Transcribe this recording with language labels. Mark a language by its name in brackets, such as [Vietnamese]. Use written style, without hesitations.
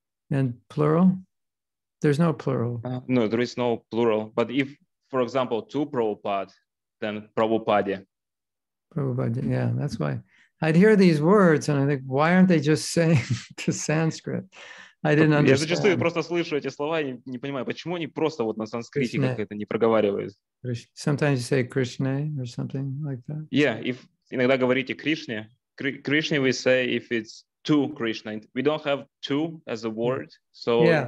[English] And plural? There's no plural. No, there is no plural. But if, for example, two Prabhupada, then Prabhupada. Prabhupada, yeah, that's why. I'd hear these words and I think, why aren't they just saying to Sanskrit? I didn't understand. [Russian] Я зачастую просто слышу эти слова и не понимаю, почему они просто вот на санскрите как это не проговаривают. [English] Sometimes you say Krishna or something like that. Yeah, if [Russian] иногда говорите Кришне. Кришне [English] we say if it's two Krishna. We don't have two as a word, so yeah.